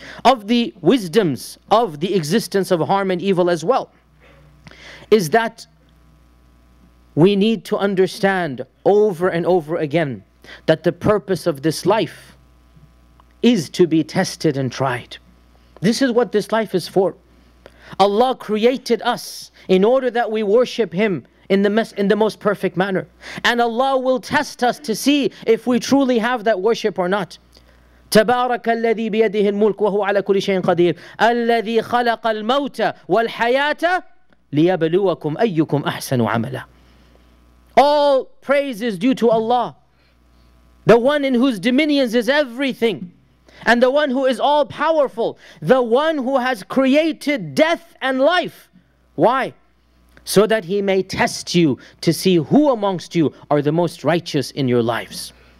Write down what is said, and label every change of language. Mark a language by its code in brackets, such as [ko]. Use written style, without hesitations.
[en] Of the wisdoms of the existence of harm and evil as well, is that we need to understand over and over again that the purpose of this life is to be tested and tried. This is what this life is for. Allah created us in order that we worship Him in the most perfect manner. And Allah will test us to see if we truly have that worship or not. [ar] تبارك الذي بيده الملك وهو على كل شيء قدير الذي خلق الموت والحياة ليبلوكم أيكم أحسن عملا. [en] All praise is due to Allah, the one in whose dominions is everything, and the one who is all powerful, the one who has created death and life. Why? So that He may test you to see who amongst you are the most righteous in your lives.